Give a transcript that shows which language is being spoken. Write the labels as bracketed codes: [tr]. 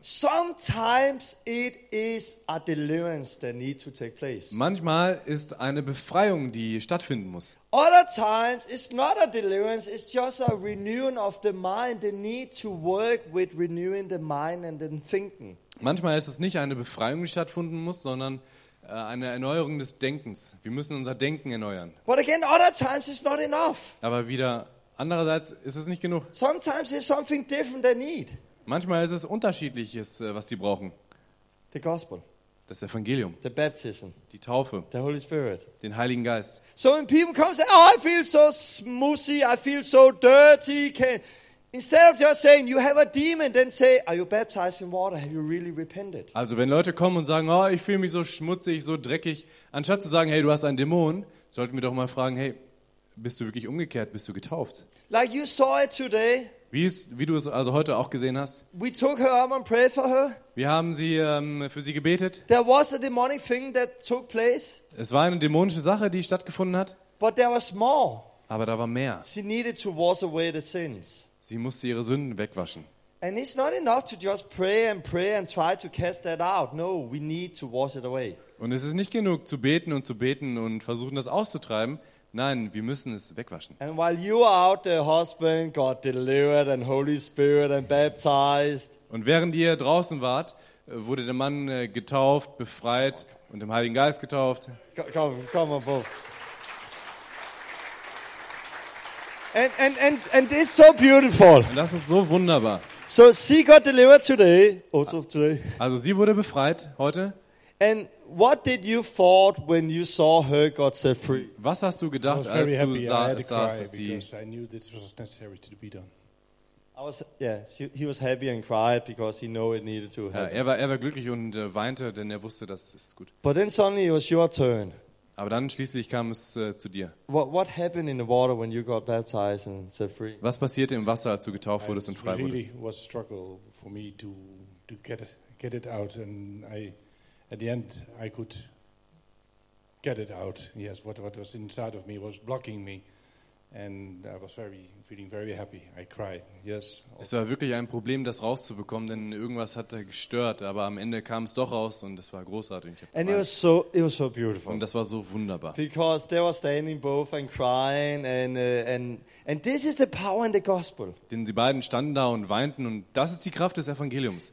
[en] Sometimes it is a deliverance that need to take place. [de] Manchmal ist eine Befreiung, die stattfinden muss. [en] Other times it's not a deliverance, it's just a renewing of the mind. They need to work with renewing the mind and then thinking. [de] Manchmal ist es nicht eine Befreiung, die stattfinden muss, sondern eine Erneuerung des Denkens. Wir müssen unser Denken erneuern. [en] But again, other times it's not enough. [de] Aber wieder andererseits ist es nicht genug. [en] Sometimes it's something different they need. [de] Manchmal ist es Unterschiedliches, was sie brauchen. [en] The gospel. [de] Das Evangelium. [en] The baptism. [de] Die Taufe. [en] The Holy Spirit. [de] Den Heiligen Geist. [en] So when people come and say, oh, I feel so smussy, I feel so dirty. Instead of just saying, you have a demon, then say, are you baptized in water? Have you really repented? [de] Also wenn Leute kommen und sagen, oh, ich fühle mich so schmutzig, so dreckig, anstatt zu sagen, hey, du hast einen Dämon, sollten wir doch mal fragen, hey, bist du wirklich umgekehrt? Bist du getauft? [en] Like you saw it today. [de] Wie du es also heute auch gesehen hast. [en] We took her arm and prayed for her. [de] Wir haben sie für sie gebetet. [en] There was a demonic thing that took place. [de] Es war eine dämonische Sache, die stattgefunden hat. [en] But there was more. [de] Aber da war mehr. [en] She needed to wash away the sins. [de] Sie musste ihre Sünden wegwaschen. [en] And it's not enough to just pray and pray and try to cast that out. No, we need to wash it away. [de] Und es ist nicht genug zu beten und versuchen, das auszutreiben. Nein, wir müssen es wegwaschen. [en] And while you are out, the husband got delivered and Holy Spirit and baptized. [de] Und während ihr draußen wart, wurde der Mann getauft, befreit und im Heiligen Geist getauft. [en] Come on, both. And it's so beautiful. [de] Und das ist so wunderbar. [en] So she got delivered today, also today. [de] Also sie wurde befreit heute. [en] And what did you thought when you saw her got set free? [de] Was hast du gedacht, als du sahst, dass sie? [en] I knew this was necessary to be done. He was happy and cried because he knew it needed to happen. [de] Er war glücklich und weinte, denn er wusste, das ist gut. [en] But then suddenly it was your turn. [de] Aber dann schließlich kam es zu dir. [en] What happened in the water when you got baptized and set free? [de] Was passierte im Wasser, als du getauft wurdest und frei wurdest? [en] It really was a struggle for me to get it out and I. At the end, I could get it out. Yes, what was inside of me was blocking me, and I was feeling very happy. I cried. Yes. [de] Es war wirklich ein Problem, das rauszubekommen, denn irgendwas hat gestört. Aber am Ende kam es doch raus, und es war großartig. [en] And it was so beautiful. [de] Und das war so wunderbar. [en] Because they were standing both and crying, and this is the power in the gospel. [de] Denn sie beiden standen da und weinten, und das ist die Kraft des Evangeliums.